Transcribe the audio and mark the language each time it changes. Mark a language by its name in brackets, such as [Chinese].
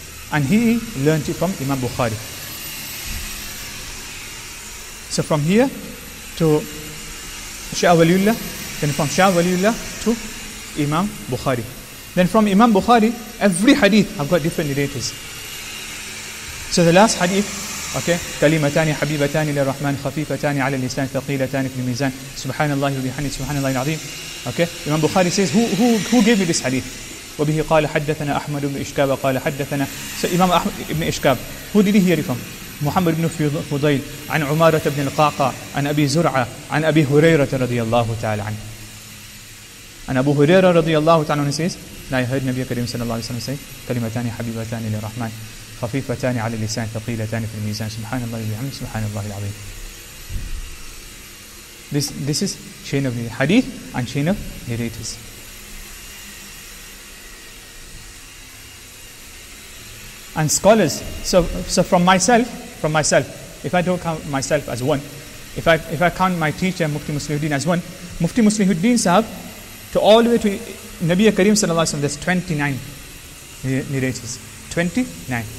[English] And he learned it from Imam Bukhari. So from here to Shah Waliullah, then from Shah Waliullah to Imam Bukhari. Then from Imam Bukhari, every hadith, I've got different narrators. So the last hadith, okay, [Arabic] كلمتان حبيبتان للرحمن خفيفتان على اللسان ثقيلتان في الميزان سبحان الله وبحمده سبحان الله العظيم. [English] Okay, Imam Bukhari says who gave you this hadith? [Arabic] وبه قال حدثنا أحمد بن إشكاب قال حدثنا. [English] So Imam Ahmad ibn Ishkab, who did he hear from? [Arabic] Muhammad ibn Fudayl, عن عمارة بن القعقاع عن أبي زرعة عن أبي هريرة رضي الله تعالى عنه. عن أبو هريرة رضي الله تعالى عنه [English] says, I heard Nabi Karim [Arabic] صلى الله عليه وسلم say, كلمتان حبيبتان للرحمن خفيفتان على اللسان ثقيلتان في الميزان سبحان الله وبحمده سبحان الله العظيم. [English] This is chain of hadith and chain of narrators. And scholars, so from myself, if I don't count myself as one, if I count my teacher Mufti Muslihuddin as one, Mufti Muslihuddin Sahab to all the way to Nabi Karim sallallahu alaihi wasallam, there's 29 narrators. 29.